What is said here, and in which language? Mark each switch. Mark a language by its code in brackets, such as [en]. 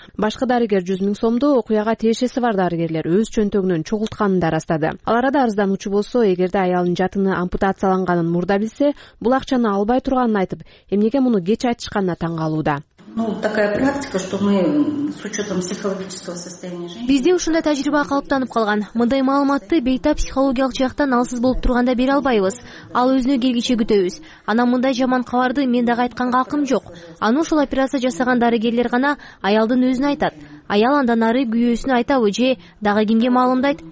[ky] Башка дарыгер 100,000 сомду окуяга тиешеси бар дарыгерлер өз чөнтөгүнөн чогултканын да ырастады. Ал арада арызданучу болсо, эгерде аялын жатыны ампутацияланганын мурда билсе, бул акчаны албай турганын айтып, эмнеге муну кеч айтышканына таң калууда. [ru] Ну, такая практика, что мы с учетом психологического состояния женщины... [ky] Бизде ушундай тажрыйба калыптанып калган. Мындай маалыматты бейтап психологиялык жактан алсыз болуп турганда бере албайбыз. Ал өзүнө келгиче күтөбүз. Анан мындай жаман кабарды мен дагы айтканга акым жок. Аны ушул операция жасаган дарыгерлер гана аялдын өзүнө айтат. Аял андан ары күйөөсүнө айтабы же дагы кимге маалымдайт?